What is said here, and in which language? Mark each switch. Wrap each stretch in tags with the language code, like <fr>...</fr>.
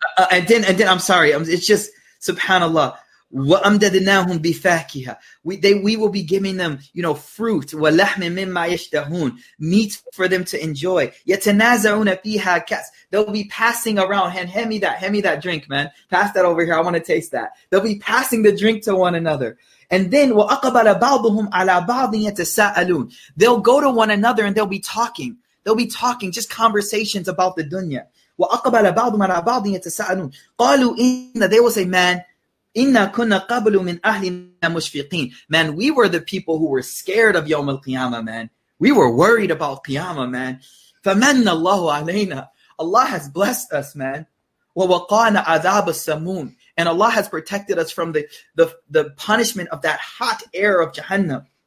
<en>And then, I'm sorry. It's just, subhanallah.</en> <ar>وَأَمْدَدْنَاهُمْ بِفَاكِهَا.</ar> <en>We will be giving them, you know, fruit.</en> <ar>وَلَحْمٍ مِمَّا يَشْتَهُونَ.</ar> <en>Meat for them to enjoy.</en> <ar>يَتَنَازَعُونَ فِيهَا كَأْسٍ.</ar> <en>They'll be passing around. Hand me that drink, man. Pass that over here. I want to taste that. They'll be passing the drink to one another. And then,</en> <ar>وَأَقَبَلَ بَعْضُهُمْ عَلَى بَعْضٍ يَتَسَأَلُونَ.</ar> <en>They'll go to one another and they'll be talking. They'll be talking, just conversations about the dunya.</en> <ar>وَأَقَبَلَ بَعْضُهُمْ عَلَى بَعْضٍ يَتَسَأَلُونَ. قَالُوا إِنَّ.</ar> <en>They will say, man,</en> <ar>إِنَّا كُنَّا قَبْلُ مِنْ أَهْلِنَا مُشْفِقِينَ.</ar> <en>Man, we were the people who were scared of Yawm al-Qiyamah, man. We were worried about Qiyamah, man.</en> <ar>فَمَنَّ اللَّهُ عَلَيْنَا.</ar> <en>Allah has blessed us, man.</en> <ar>وَوَقَانَ عَذَابَ السَّمُونَ.</ar> <en>And Allah has protected us from the punishment of that hot air of Jahannam.</en>